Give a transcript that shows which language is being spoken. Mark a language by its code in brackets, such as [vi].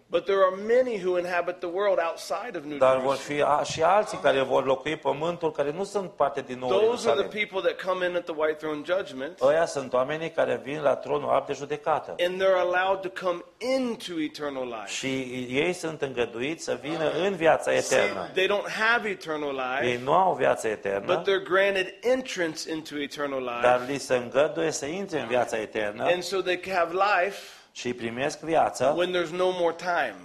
[en] But there are many who inhabit the world outside of New Jerusalem. [ro] Dar vor fi și alții care vor locui pământul care nu sunt parte din noul Ierusalim. [en] Those are the people that come in at the White Throne Judgment. [ro] Aia sunt oamenii care vin la tronul alb de judecată. [en] And they're allowed to come into eternal life. [ro] Și ei sunt îngăduiți să vină în viața eternă. [en] See, they don't have eternal life. [ro] Ei nu au viața eternă. [en] But they're granted entrance into eternal life. [ro] Dar li se îngăduie să intre în viața eternă. [en] And so they have life. [ro] Și primesc viața. [en] When there's no more time.